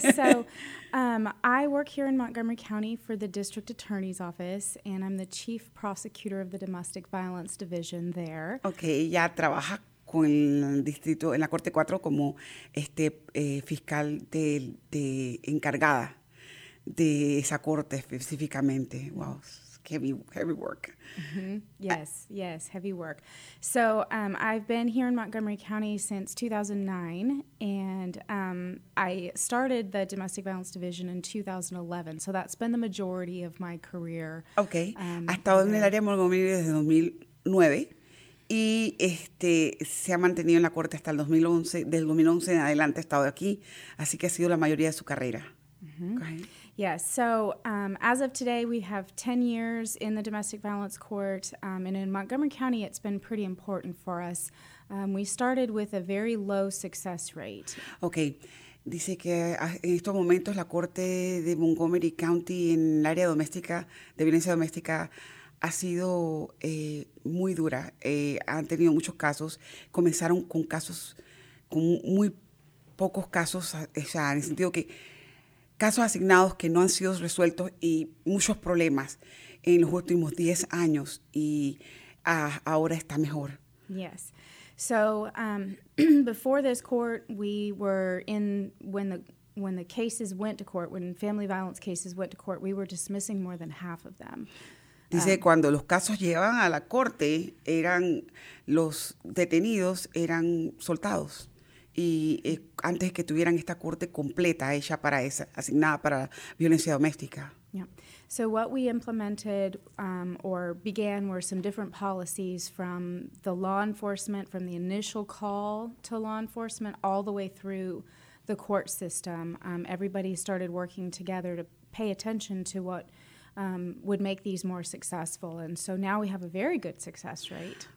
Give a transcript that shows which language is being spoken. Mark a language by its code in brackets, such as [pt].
[en] Okay, so I work here in Montgomery County for the District Attorney's Office, and I'm the Chief Prosecutor of the Domestic Violence Division there. [es] Okay, ella trabaja con el distrito, en la Corte 4, como fiscal de encargada de esa corte específicamente. [en] Wow, heavy work. Mm-hmm. Yes, heavy work. So I've been here in Montgomery County since 2009, and I started the Domestic Violence Division in 2011, so that's been the majority of my career. [es] Okay, ha estado en el área de Montgomery desde 2009, y se ha mantenido en la corte hasta el 2011. Del 2011 en adelante ha estado aquí, así que ha sido la mayoría de su carrera. Mm-hmm. [en] So as of today, we have 10 years in the Domestic Violence Court, and in Montgomery County, it's been pretty important for us. We started with a very low success rate. [es] Okay, dice que en estos momentos la corte de Montgomery County en el área doméstica, de violencia doméstica, ha sido muy dura. Han tenido muchos casos. Comenzaron con casos, con muy pocos casos, o sea, en el sentido que casos asignados que no han sido resueltos y muchos problemas en los últimos 10 años, y ahora está mejor. [en] Yes. So, before this court, we were in, when the cases went to court, when family violence cases went to court, we were dismissing more than half of them. [es] Dice, cuando los casos llegaban a la corte, eran los detenidos, eran soltados. Y antes que tuvieran esta corte completa, ella para esa, asignada para violencia doméstica. [en] Yeah. So what we implemented or began were some different policies from the law enforcement, from the initial call to law enforcement, all the way through the court system. Everybody started working together to pay attention to what would make these more successful, and so now we have a very good success rate.